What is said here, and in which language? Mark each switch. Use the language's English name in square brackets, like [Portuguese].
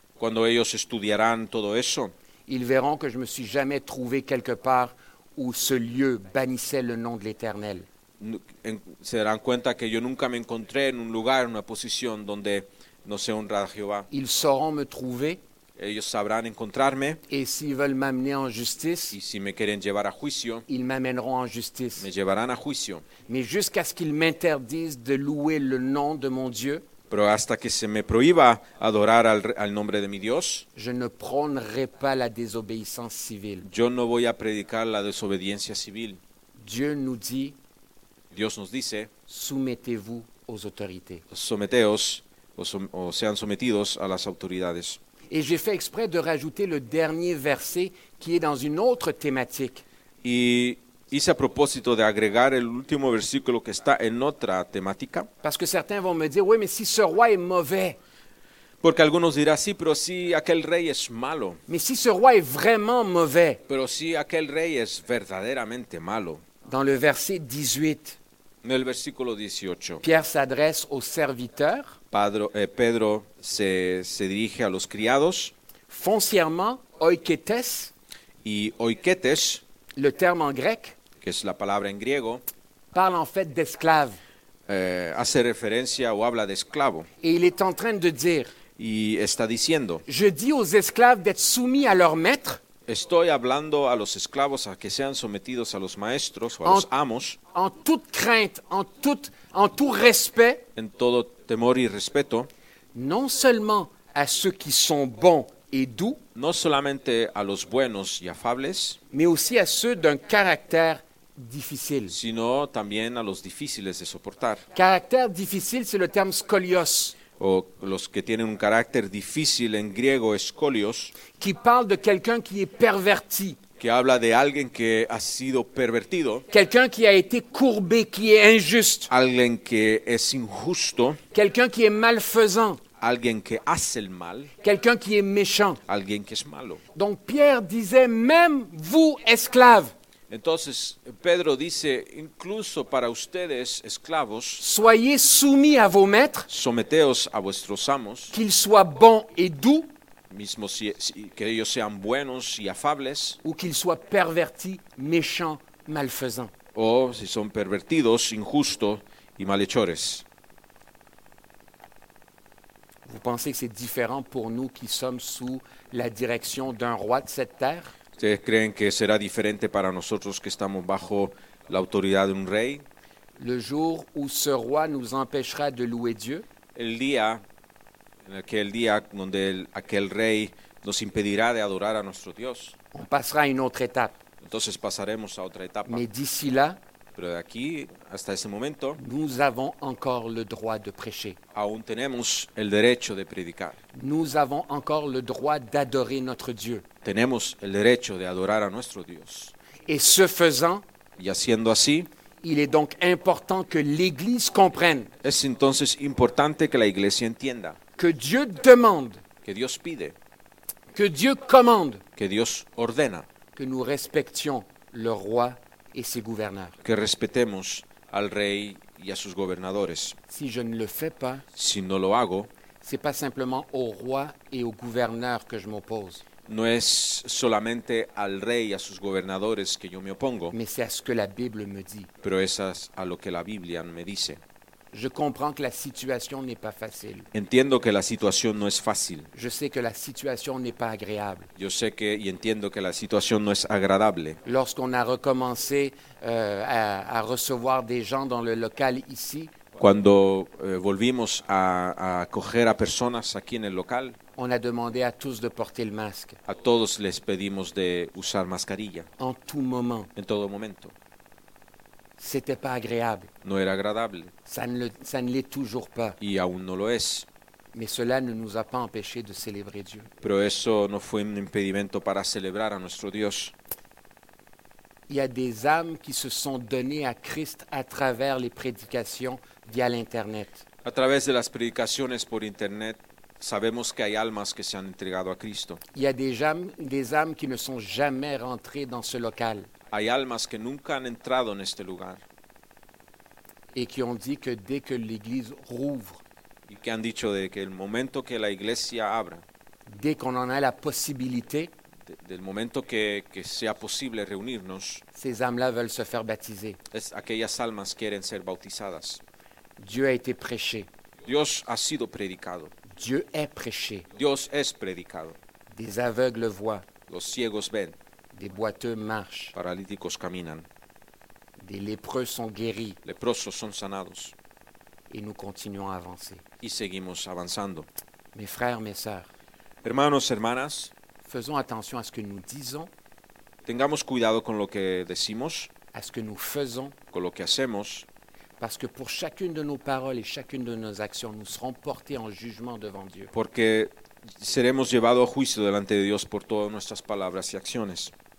[Spanish] cuando ellos estudiarán todo eso, [French] ils verront que je me suis jamais trouvé quelque part où ce lieu bannissait le nom de l'Éternel. [Spanish] Se darán cuenta que yo nunca me encontré en un lugar, en una posición donde no se honra a Jehová. [French] Ils sauront me trouver. [Spanish] Ellos sabrán encontrarme. [French] Et s'ils veulent m'amener en justice, [Spanish] y si me quieren llevar a juicio, [French] ils m'amèneront en justice. [Spanish] Me llevarán a juicio. [French] Mais jusqu'à ce qu'ils m'interdisent de louer le nom de mon Dieu, [Spanish] pero hasta que se me prohíba adorar al nombre de mi Dios, [French] je ne prônerai pas la désobéissance civile. [Spanish] Yo no voy a predicar la desobediencia civil. [French] Dieu nous dit, [Spanish] Dios nos dice, [French] soumettez-vous aux autorités. [Spanish] Someteos, o sean sometidos a las autoridades. [French] Et j'ai fait exprès de rajouter le dernier verset qui est dans une autre thématique. [Spanish] Y hice a propósito de agregar el último versículo que está en otra temática. [French] Parce que certains vont me dire, oui, mais si ce roi est mauvais. [Spanish] Porque algunos dirán, sí, pero si aquel rey es malo. [French] Mais si ce roi est vraiment mauvais. [Spanish] Pero si aquel rey es verdaderamente malo. [French] Dans le verset 18. [Spanish] En el versículo 18. [French] Pierre s'adresse aux serviteurs. [Spanish] Pedro se dirige a los criados. [French] Foncièrement, oiketes. [Spanish] Y oiketes. [French] Le terme en grec. [Spanish] Que es la palabra en griego. [French] Parle en fait d'esclave. [Spanish] Hace referencia o habla de esclavo. [French] Et il est en train de dire. [Spanish] Y está diciendo. [French] Je dis aux esclaves d'être soumis à leur maître. [Spanish] Estoy hablando a los esclavos a que sean sometidos a los maestros o a los amos. [French] En toute crainte, en tout respect. [Spanish] En todo temor y respeto. [French] Non seulement à ceux qui sont bons et doux. [Spanish] No solamente a los buenos y afables. [French] Mais aussi à ceux d'un caractère difficile. [Spanish] Sino también a los difíciles de soportar. [French] Caractère difficile, c'est le terme scolios. [Spanish] O los que tienen un carácter difícil en griego escolios, [French] qui parle de quelqu'un qui est perverti, [Spanish] que habla de alguien que ha sido pervertido, [French] quelqu'un qui a été courbé, qui est injuste, [Spanish] alguien que es injusto, [French] quelqu'un qui est malfaisant, [Spanish] alguien que hace el mal, [French] quelqu'un qui est méchant, [Spanish] alguien que es malo. [French] Donc Pierre disait, même vous esclaves, [Spanish] entonces Pedro dice, incluso para ustedes esclavos, [French] soyez soumis à vos maîtres, [Spanish] someteos a vuestros amos, [French] qu'ils soient bons et doux, [Spanish] mismo si que ellos sean buenos y afables, [French] ou qu'ils soient pervertis, méchants, malfaisants, [Spanish] o si son pervertidos, injustos y malhechores. [French] Vous pensez que c'est différent pour nous qui sommes sous la direction d'un roi de cette terre? [Spanish] ¿Ustedes creen que será diferente para nosotros que estamos bajo la autoridad de un rey? [French] Le jour où ce roi nous empêchera de louer Dieu, [Spanish] el día en aquel día donde aquel rey nos impedirá de adorar a nuestro Dios, [French] on passera à une autre étape. [Spanish] Entonces pasaremos a otra etapa. [French] Mais d'ici là, [Spanish] pero de aquí hasta ese momento, [French] nous avons encore le droit de prêcher. [Spanish] Aún tenemos el derecho de predicar. [French] Nous avons encore le droit d'adorer notre Dieu. [Spanish] Tenemos el derecho de adorar a nuestro Dios. [French] Et ce faisant, [Spanish] y haciendo así. [French] Il est donc important que l'Église comprenne. [Spanish] Es entonces importante que la Iglesia entienda. [French] Que Dieu demande. [Spanish] Que Dios pide. [French] Que Dieu commande. [Spanish] Que Dios ordena. [French] Que nous respections le roi et ses gouverneurs. [Spanish] Que respetemos al rey y a sus gobernadores. [French] Si je ne le fais pas, [Spanish] si no lo hago, [French] c'est pas simplement au roi et au gouverneur que je m'oppose. [Spanish] No es solamente al rey y a sus gobernadores que yo me opongo. [French] Mais c'est à ce que la Bible me dit. [Spanish] Pero es a lo que la Biblia me dice. [French] Je comprends que la situation n'est pas facile. [Spanish] Entiendo que la situación no es fácil. [French] Je sais que la situation n'est pas agréable. [Spanish] Yo sé que y entiendo que la situación no es agradable. [French] Lorsqu'on a recommencé à recevoir des gens dans le local ici. [Spanish] Cuando volvimos a acoger a personas aquí en el local. [French] On a demandé à tous de porter le masque. [Spanish] A todos les pedimos de usar mascarilla. [French] En tout moment. [Spanish] En todo momento. [French] C'était pas agréable. [Spanish] No era agradable. [French] Ça ne l'est toujours pas. [Spanish] Y aún no lo es. [French] Mais cela ne nous a pas empêché de célébrer Dieu. [Spanish] Pero eso no fue un impedimento para celebrar a nuestro Dios. [French] Il y a des âmes qui se sont données à Christ à travers les prédications via l'internet. [Spanish] A través de las predicaciones por internet. Sabemos que hay almas que se han entregado a Cristo. [French] Il y a des âmes qui ne sont jamais rentrées dans ce local. [Spanish] Hay almas que nunca han entrado en este lugar. [French] Et qui ont dit que dès que l'église rouvre. [Spanish] Y que han dicho de que el momento que la iglesia abra. [French] Dès qu'on en a la possibilité. [Spanish] Del momento que sea posible reunirnos. [French] Ces âmes-là veulent se faire baptiser. [Spanish] Aquellas almas quieren ser bautizadas. [French] Dieu a été prêché. [Spanish] Dios ha sido predicado. [French] Dieu est prêché. [Spanish] Dios es predicado. [French] Des aveugles voient. [Spanish] Los ciegos ven. [French] Des boiteux marchent. [Spanish] Paralíticos caminan. [French] Des lépreux sont guéris. [Spanish] Leprosos son sanados. [French] Et nous continuons à avancer. [Spanish] Y seguimos avanzando. [French] Mes frères, mes sœurs. [Spanish] Hermanos, hermanas. [French] Faisons attention à ce que nous disons. [Spanish] Tengamos cuidado con lo que decimos. [French] À ce que nous faisons. [Spanish] Con lo que hacemos. [French] Parce que pour chacune de nos paroles et chacune de nos actions, nous serons portés en jugement devant Dieu. [Spanish] Porque seremos llevados a juicio delante de Dios por todas nuestras palabras y acciones.